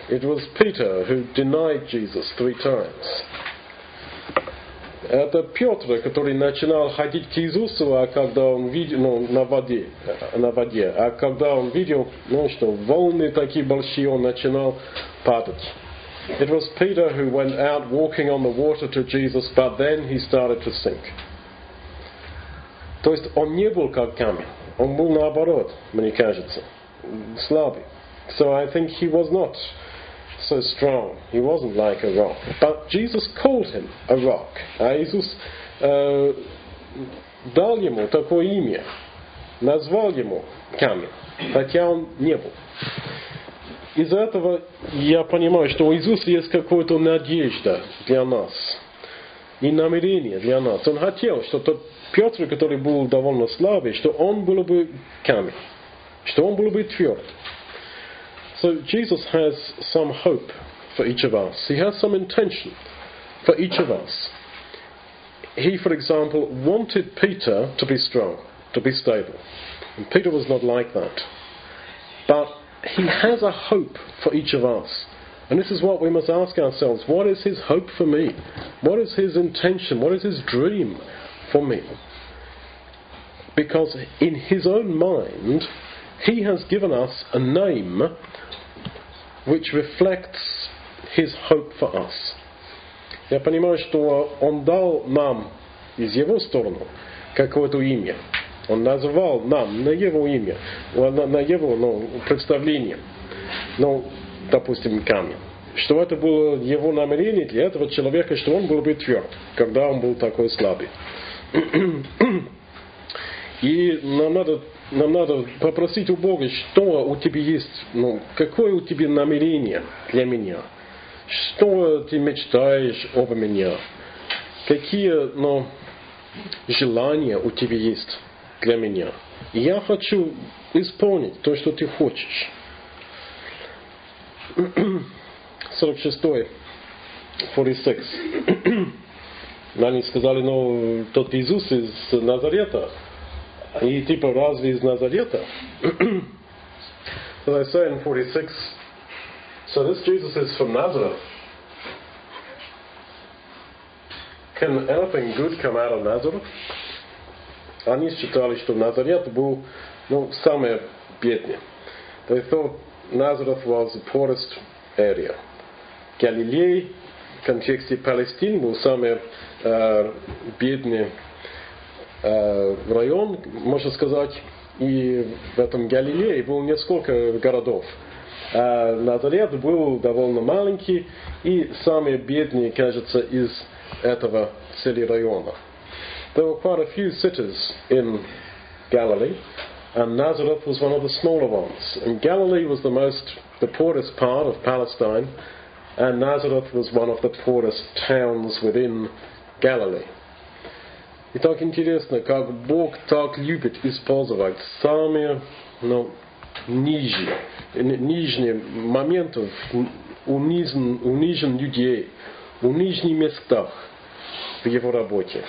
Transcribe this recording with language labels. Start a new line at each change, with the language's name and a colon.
English: It was Peter who denied Jesus three times.
Russian: Это Петр, который начинал ходить к Иисусу, а когда он видел, на воде, а когда он видел, что волны такие большие, он начинал падать.
English: It was Peter who went out walking on the water to Jesus, but then he started to sink.
Russian: То есть он не был как камень, он был наоборот, мне кажется, слабый.
English: So I think he was not so strong. He wasn't like a rock. But Jesus called him a rock.
Russian: А Иисус дал ему такое имя, назвал ему камень, хотя он не был. Из этого я понимаю, что у Иисуса есть какая-то надежда для нас и намерение для нас. Он хотел, что тот Петр, который был довольно слабый, что он был бы камень, что он был бы тверд.
English: So Jesus has some hope for each of us. He has some intention for each of us. He, for example, wanted Peter to be strong, to be stable. And Peter was not like that. But He has a hope for each of us. And this is what we must ask ourselves. What is his hope for me? What is his intention? What is his dream for me? Because in his own mind, he has given us a name which reflects his hope for us.
Russian: Я понимаю, что он дал нам из его сторону какое-то имя. Он назвал нам на его имя, на его представление. Ну, допустим, камень. Что это было его намерение для этого человека, что он был бы тверд, когда он был такой слабый. И нам надо попросить у Бога, что у тебя есть, какое у тебя намерение для меня? Что ты мечтаешь обо меня? Какие, желания у тебя есть для меня? Я хочу исполнить то, что ты хочешь. 46-й, 46. Они сказали, тот Иисус из Назарета. И разве из Назарета?
English: As I say in 46, so this Jesus is from Nazareth. Can anything good come out of Nazareth?
Russian: Они считали, что Назарет был самый бедный.
English: They thought Nazareth was the poorest area.
Russian: Галилея, в контексте Палестины, был самый бедный район, можно сказать. И в этом Галилее было несколько городов. Назарет был довольно маленький и самый бедный, кажется, из этого цели района.
English: There were quite a few cities in Galilee, and Nazareth was one of the smaller ones. And Galilee was the poorest part of Palestine, and Nazareth was one of the poorest towns within Galilee.
Russian: Итак, интересно, как Бог так любит использовать самые, нижние моменты унижен людей, унижен местах. В его работе.